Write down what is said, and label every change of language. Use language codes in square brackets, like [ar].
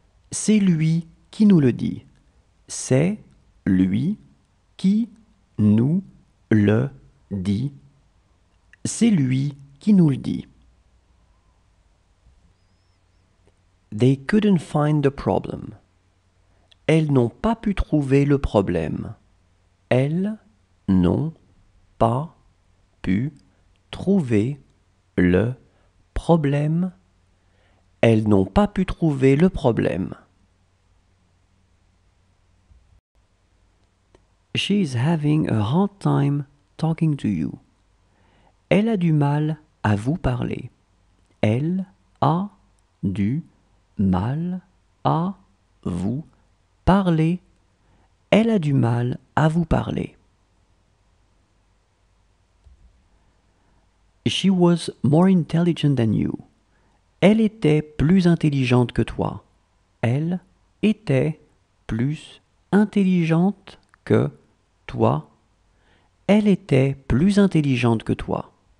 [fr] C'est lui qui nous le dit. C'est lui qui nous le dit. C'est lui qui nous le dit. [en] They couldn't find the problem. [fr] Elles n'ont pas pu trouver le problème. Elles n'ont pas pu trouver le problème. Elles n'ont pas pu trouver le problème. [en] She is having a hard time talking to you. [fr] Elle a du mal à vous parler. Elle a du mal à vous parler. Elle a du mal à vous parler. [en] She was more intelligent than you. [fr] Elle était plus intelligente que toi. Elle était plus intelligente que toi. Elle était plus intelligente que toi.